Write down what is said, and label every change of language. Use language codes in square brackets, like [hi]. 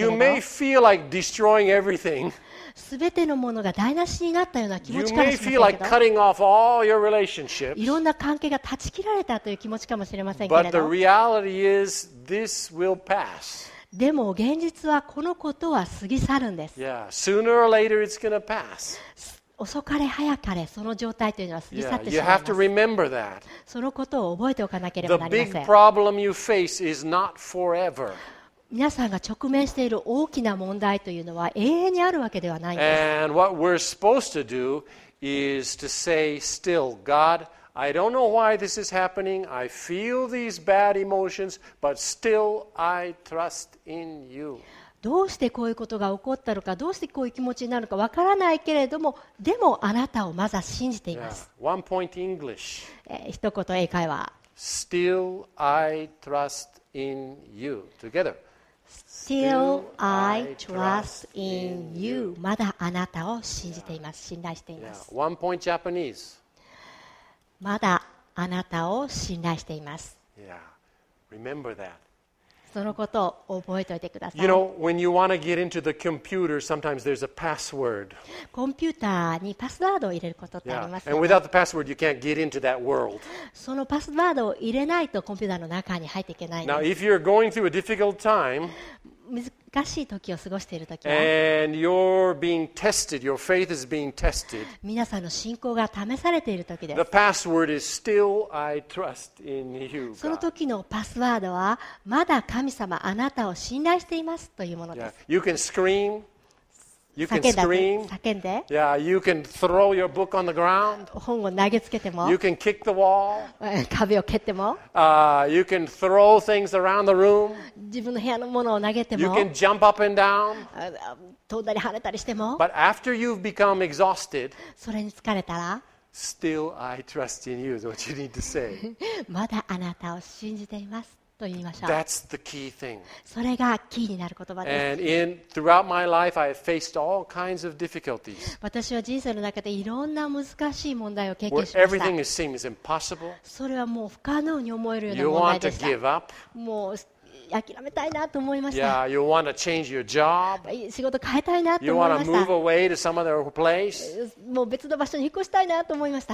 [ja] れど。 [en] You may feel like destroying everything. [ja] すべてのものが台無しになったような気持ちかもしれませんけど、いろんな関係が断ち切られたという気持ちかもしれませんけれど、でも現実はこのことは過ぎ去るんです。 [en] Yeah, sooner or later it's gonna pass. [ja] 遅かれ早かれその状態というのは過ぎ去ってしまいます。 [en] You have to remember that. [ja] そのことを覚えておかなければなりません。 [en] The big problem you face is not forever. [ja] 皆さんが直面している大きな問題というのは永遠にあるわけではないんです。 [en] And what we're supposed to do is to say still, God, I don't know why this is happening. I feel these bad emotions, but still I trust in you. [ja] どうしてこういうことが起こったのか、どうしてこういう気持ちになるのかわからないけれども、でもあなたをまずは信じています。 [en] Yeah. One point English. [ja] 一言英会話。 [en] Still I trust in you. Together. Still I trust in you. [ja] まだあなたを信じています。信頼しています。 [en] Yeah. One point Japanese. [ja] まだあなたを信頼しています。 [en] Yeah. Remember that. [ja] そのことを覚えておいてください。 [en] You know, when you want to get into the computer, sometimes there's a password. [ja] コンピューターにパスワードを入れることってありますよね。 [en] Yeah. And without the password, you can't get into that world. [ja] そのパスワードを入れないとコンピューターの中に入っていけないんです。 [en] Now, if you're going through a difficult time, [ja] 難しい時を過ごしている時は、 [en] and you're being tested, your faith is being tested. [ja] 皆さんの信仰が試されている時です。 [en] The password is still I trust in you. [ja] その時のパスワードはまだ神様あなたを信頼していますというものです。 [en] You can scream, You can scream. Yeah, you can throw your book on the ground. [ja] 本を投げつけても。 [en] You can kick the wall. [ja] 壁を蹴っても。 [en] You can throw things around the room. [ja] 自分の部屋のものを投げても。 [en] You can jump up and down. [ja] 飛んだり跳ねたりしても。 [en] But after you've become exhausted, [ja] それに疲れたら、 [en] Still I trust in you is what you need to say. [ja] まだあなたを信じています。と言いましょう。 [en] That's the key thing. [ja] それがキーになる言葉です。 [en] And in, throughout my life, I have faced all kinds of difficulties. [ja] 私は人生の中でいろんな難しい問題を経験しました。 [en] Where everything seems impossible. [ja] それはもう不可能に思えるような問題でした。 [en] You want to give up. [ja] もう諦めたいなと思いました。 [en] Yeah, you want to change your job. [ja] 仕事変えたいなと思いました。 [en] You want to move away to some other place. [ja] もう別の場所に引っ越したいなと思いました。